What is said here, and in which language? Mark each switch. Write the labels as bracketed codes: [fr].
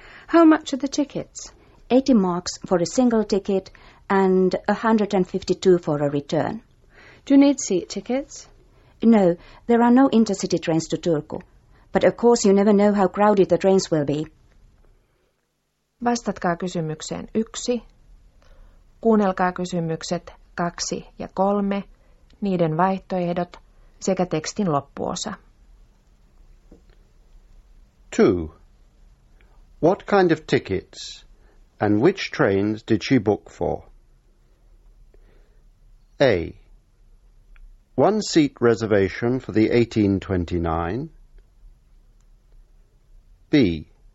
[en] How much are the tickets? 80 marks for a single ticket and 152 for a return. Do you need seat tickets? No, there are no intercity trains to Turku. But of course you never know how crowded the trains will be. [fi] Vastatkaa kysymykseen 1. Kuunnelkaa kysymykset 2 ja 3, niiden vaihtoehdot sekä tekstin loppuosa. 2. [en] What kind of tickets and which trains did she book for? A. One seat reservation for the 1829. B.